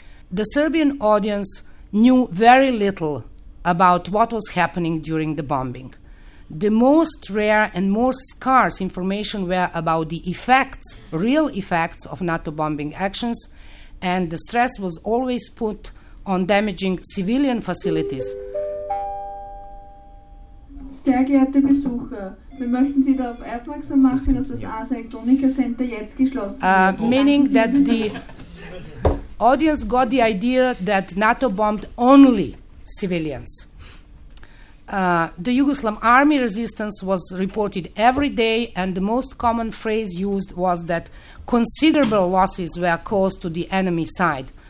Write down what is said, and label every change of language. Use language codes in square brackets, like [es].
[en] The Serbian audience knew very little about what was happening during the bombing. The most rare and most scarce information were about the effects, real effects of NATO bombing actions, and the stress was always put on damaging civilian facilities. [de] Sehr geehrte Besucher, wir möchten Sie darauf aufmerksam machen, dass das Asa Elektronika Center jetzt geschlossen ist. [en] Meaning that the audience got the idea that NATO bombed only civilians. The Yugoslav army resistance was reported every day, and the most common phrase used was that considerable losses were caused to the enemy side.